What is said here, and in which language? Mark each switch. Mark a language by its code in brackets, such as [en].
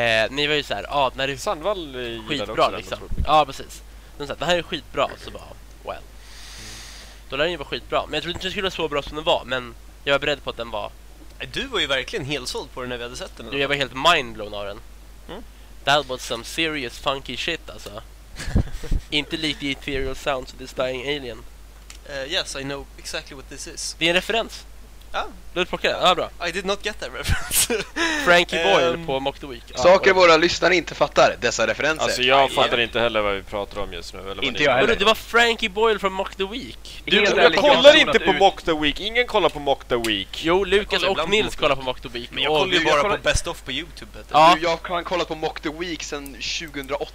[sv] Ni var ju så här, när du Sandvall gillade skitbra också liksom. Den, ja, precis. De sa, det här är skitbra, så bara well. Då lär den ju vara skitbra, men jag trodde inte den skulle vara så bra som den var, men jag var beredd på att den var. Du var ju verkligen helsåld på den när vi hade sett den. Jag var helt mindblown av den. [en] That was some serious funky shit [sv] alltså. Inte likt [en] the ethereal sounds of this dying alien. Yes, I know exactly what this is. [sv] Det är en referens. Ja. Ah. Ja, bra. [en] I did not get that reference. [sv] Frankie Boyle på Mock the Week. Saker våra lyssnare inte fattar, dessa referenser. Alltså jag fattar inte heller vad vi pratar om just nu. Eller inte vad jag heller. Det var Frankie Boyle från Mock the Week. Jag kollar inte på Mock the Week. Ingen kollar på Mock the Week. Jo, Lucas och Nils kollar på Mock the Week. Men jag kollar ju bara på Best Off på YouTube. Ja. Nu, jag har kollat på Mock the Week sedan 2008.